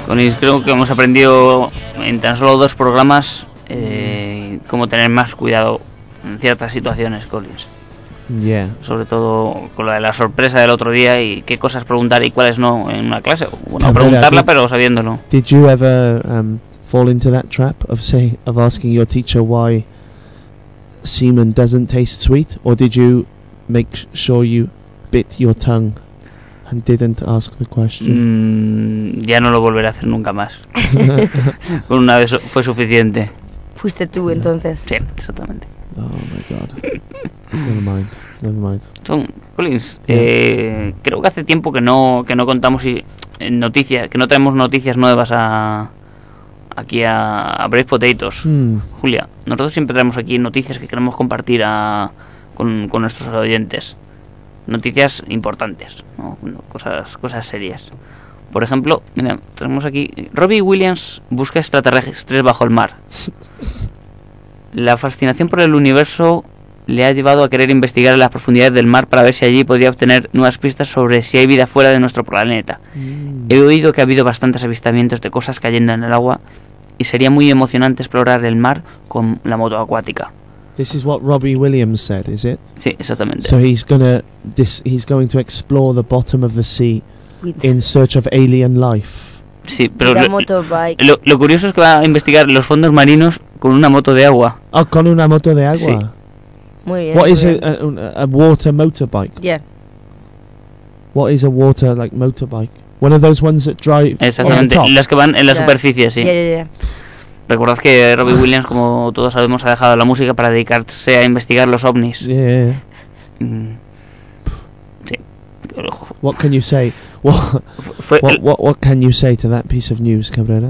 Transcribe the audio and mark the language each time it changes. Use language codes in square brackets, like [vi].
[es] Conis, creo que hemos aprendido en tan solo dos programas cómo tener más cuidado en ciertas situaciones, Conis. [en] Yeah. [es] Sobre todo con la de la sorpresa del otro día y qué cosas preguntar y cuáles no en una clase. Bueno, preguntarla, pero sabiéndolo. [en] Did you ever fall into that trap of asking your teacher why semen doesn't taste sweet, or did you make sure you bit your tongue and didn't ask the question? [es] Ya no lo volveré a hacer nunca más. Con una vez fue suficiente. Fuiste tú, yeah. Entonces. Sí, exactamente. [en] Oh my god. Never mind. [es] Son Collins. Yeah. Creo que hace tiempo que no contamos noticias, que no tenemos noticias nuevas aquí a Brave Potatoes. Julia, nosotros siempre traemos aquí noticias que queremos compartir con nuestros oyentes. Noticias importantes, ¿no? cosas serias. Por ejemplo, mira, tenemos aquí: Robbie Williams busca extraterrestres bajo el mar. La fascinación por el universo le ha llevado a querer investigar en las profundidades del mar para ver si allí podría obtener nuevas pistas sobre si hay vida fuera de nuestro planeta. He oído que ha habido bastantes avistamientos de cosas cayendo en el agua y sería muy emocionante explorar el mar con la moto acuática. [en] This is what Robbie Williams said, is it? [es] Sí, exactamente. [en] So he's going to explore the bottom of the sea in search of alien life. [es] Sí, pero la motobike. Lo curioso es que va a investigar los fondos marinos con una moto de agua. Ah, oh, con una moto de agua. Sí. Muy bien. [en] What is a water motorbike? Yeah. What is a water like motorbike? One of those ones that drive. [es] Exactamente. [en] On the top. [es] Las que van en la superficie, sí. [en] Yeah. [es] Recordad que Robbie Williams, como todos sabemos, ha dejado la música para dedicarse a investigar los ovnis. [en] Sí. What can you say? What can you say to that piece of news, Cabrera?